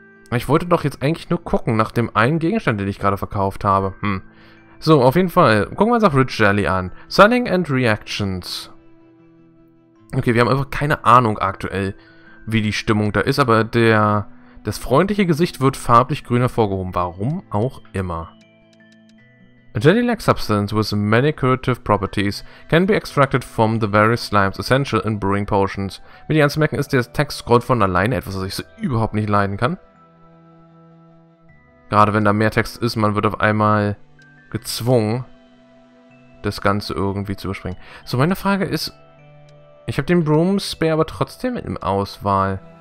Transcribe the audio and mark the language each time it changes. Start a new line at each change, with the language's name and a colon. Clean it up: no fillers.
German: Ich wollte doch jetzt eigentlich nur gucken nach dem einen Gegenstand, den ich gerade verkauft habe. Hm. So, auf jeden Fall. Gucken wir uns auf Rich Jelly an.
English: Selling and Reactions.
German: Okay, wir haben einfach keine Ahnung aktuell, wie die Stimmung da ist, aber das freundliche Gesicht wird farblich grün hervorgehoben. Warum auch immer.
English: A jelly-like substance with many curative properties can be extracted from the various slimes essential in brewing potions.
German: Wie die anzumerken, ist der Textscroll von alleine etwas, was ich so überhaupt nicht leiden kann. Gerade wenn da mehr Text ist, man wird auf einmal gezwungen, das Ganze irgendwie zu überspringen. So, meine Frage ist, ich habe den Broomspear aber trotzdem in Auswahl.